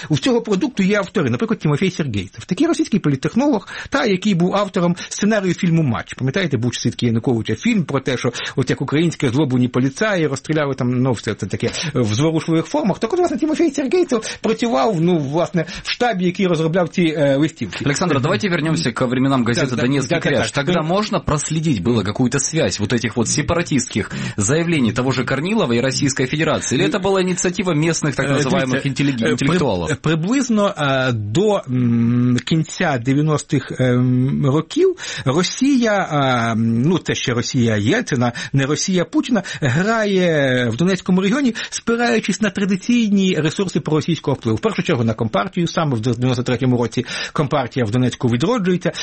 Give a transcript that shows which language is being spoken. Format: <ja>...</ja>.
<uk>У цього продукту є автори, наприклад, Тимофій Сергейцев. Такий російський політтехнолог, та який був автором сценарію фільму «Матч». Пам'ятаєте, був свідки Януковича фільм про те, що от як українські злоблені поліцаї стріляли там, ну, все це таке в зворушливих формах. Так от, власне, Тимофій Сергейцев працював, ну, власне, в штабі, який розробляв ці листівки.</uk> <ru>Олександр, давайте вернемся к временам газеты «Донецкий кряж». Тогда можна проследить было какую-то связь вот этих вот сепаратистских заявлений того же Корнилова и Российской Федерации? Или это была инициатива местных так называемых интеллектуалов?</ru> <uk>Приблизно до кінця 90-х років Росія, ну, те ще Росія Єльцина, не Росія Путіна, грає в Донецькому регіоні, спираючись на традиційні ресурси проросійського впливу. В першу чергу на Компартію, саме в 93-му році Компартія в Донецьку відроджується.</uk>